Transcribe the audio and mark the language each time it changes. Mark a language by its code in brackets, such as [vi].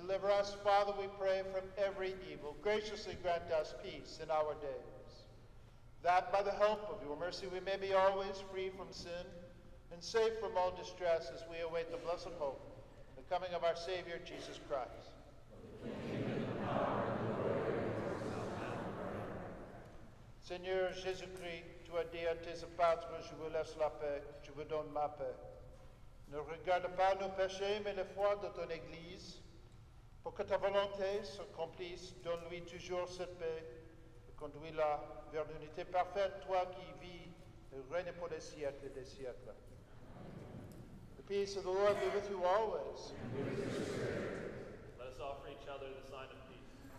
[en] Deliver us, Father, we pray, from every evil. Graciously grant us peace in our day, that by the help of your mercy we may be always free from sin and safe from all distress as we await the blessed hope, the coming of our Savior, Jesus Christ. [fr] Seigneur Jésus-Christ, toi dis à tes apôtres, je vous laisse la paix, je vous donne ma paix. Ne regarde pas nos péchés, mais la foi de ton Église, pour que ta volonté s'accomplisse, donne-lui toujours cette paix, et conduis-la vers l'unité parfaite, toi qui vis et règne pour les siècles et des siècles. Amen. [en] The peace of the Lord be with you always. Let us offer each other the sign of peace.